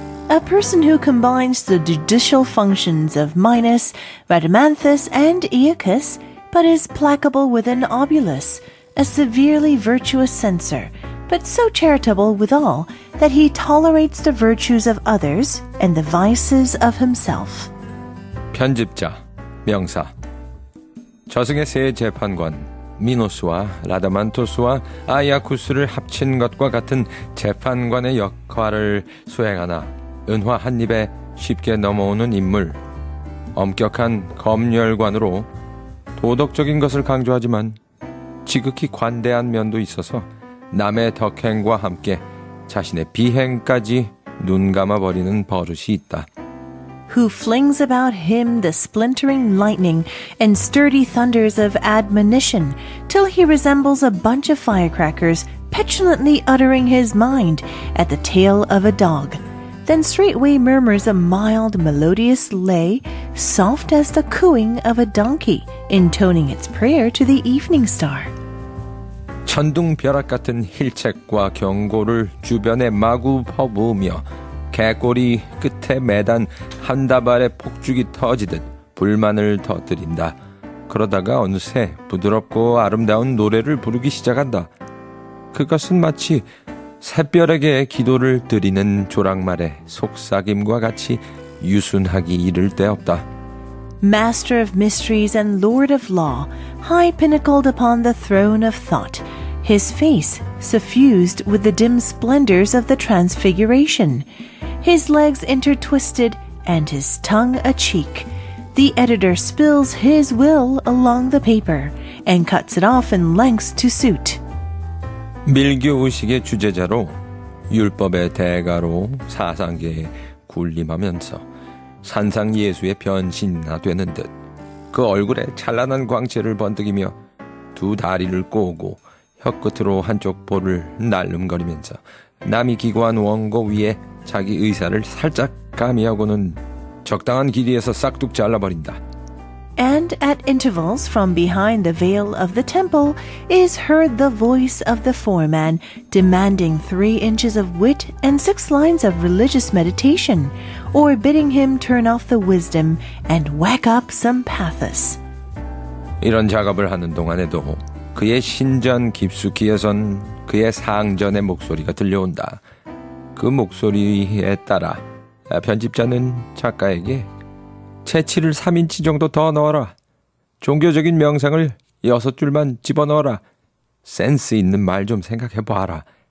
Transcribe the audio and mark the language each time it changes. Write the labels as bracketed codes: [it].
[en] A person who combines the judicial functions of Minos, Rhadamanthus, and Aeacus, but is placable with an obulus, a severely virtuous censor, but so charitable with all that he tolerates the virtues of others and the vices of himself. [ko] 편집자, 명사. 저승의 세 재판관, 미노스와 라다만토스와 아이아쿠스를 합친 것과 같은 재판관의 역할을 수행하나 은화 한 입에 쉽게 넘어오는 인물. 엄격한 검열관으로 도덕적인 것을 강조하지만 지극히 관대한 면도 있어서 남의 덕행과 함께 자신의 비행까지 눈감아버리는 버릇이 있다. [en] Who flings about him the splintering lightning and sturdy thunders of admonition till he resembles a bunch of firecrackers petulantly uttering his mind at the tail of a dog. Then straightway murmurs a mild, melodious lay, soft as the cooing of a donkey, intoning its prayer to the evening star. [ko] 천둥벼락 같은 힐책과 경고를 주변에 마구 퍼부으며 개꼬리 끝에 매단 한 다발의 폭죽이 터지듯 불만을 터뜨린다. 그러다가 어느새 부드럽고 아름다운 노래를 부르기 시작한다. 그것은 마치 샛별에게 기도를 드리는 조랑말의 속삭임과 같이 유순하기 이를 데 없다. [en] Master of mysteries and lord of law, high pinnacled upon the throne of thought, his face suffused with the dim splendors of the transfiguration, his legs intertwisted and his tongue a cheek. The editor spills his will along the paper and cuts it off in lengths to suit. [ko] 밀교 의식의 주제자로 율법의 대가로 사상계에 군림하면서 산상 예수의 변신이나 되는 듯 그 얼굴에 찬란한 광채를 번득이며 두 다리를 꼬고 혀끝으로 한쪽 볼을 날름거리면서 남이 기고한 원고 위에 자기 의사를 살짝 가미하고는 적당한 길이에서 싹둑 잘라버린다. [en] And at intervals from behind the veil of the temple is heard the voice of the foreman demanding 3 inches of wit and 6 lines of religious meditation or bidding him turn off the wisdom and whack up some pathos. [ko] 이런 작업을 하는 동안에도 그의 신전 깊숙이에선 그의 상전의 목소리가 들려온다. 그 목소리에 따라 편집자는 작가에게 체취를 3인치 정도 더 넣어라. 종교적인 명상을 6줄만 집어넣어라. 센스 있는 말 좀 생각해봐라.